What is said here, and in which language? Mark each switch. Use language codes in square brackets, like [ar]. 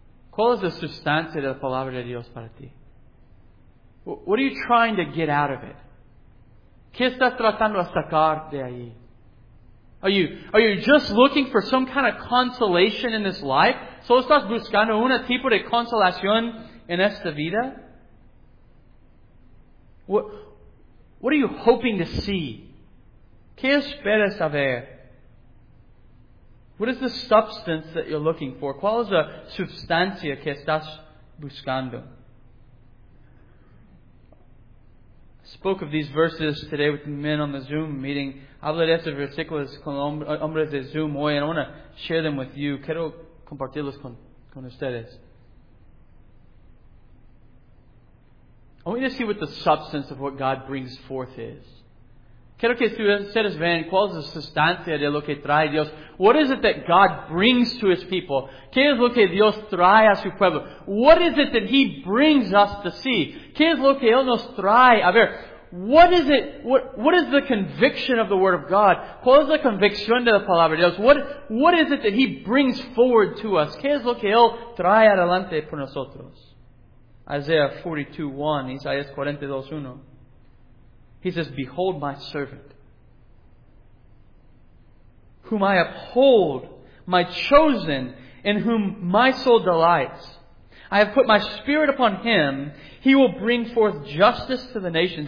[es] ¿Cuál es la sustancia de la Palabra de Dios para ti? [en] What are you trying to get out of it? [es] ¿Qué estás tratando de sacar de ahí? [en] Are you just looking for some kind of consolation in this life? [es] ¿Solo estás buscando un tipo de consolación en esta vida? [en] What are you hoping to see? [es] ¿Qué esperas a ver? [en] What is the substance that you're looking for? [es] ¿Cuál es la sustancia que estás buscando? [en] I spoke of these verses today with the men on the Zoom meeting. [es] Hablé de estos versículos con hombres de Zoom hoy, [en] and I want to share them with you. [es] Quiero compartirlos con ustedes. [en] I want you to see what the substance of what God brings forth is. [es] Quiero que ustedes vean cuál es la sustancia de lo que trae Dios. [en] What is it that God brings to His people? [es] ¿Qué es lo que Dios trae a su pueblo? [en] What is it that He brings us to see? [es] ¿Qué es lo que Él nos trae a ver? [en] What is the conviction of the Word of God? [es] ¿Cuál es la convicción de la Palabra de Dios? [en] What is it that He brings forward to us? [es] ¿Qué es lo que Él trae adelante por nosotros? [en] Isaiah 42:1, Isaías 42:1. He says, "Behold my servant, whom I uphold, my chosen, in whom my soul delights. I have put my spirit upon him. He will bring forth justice to the nations.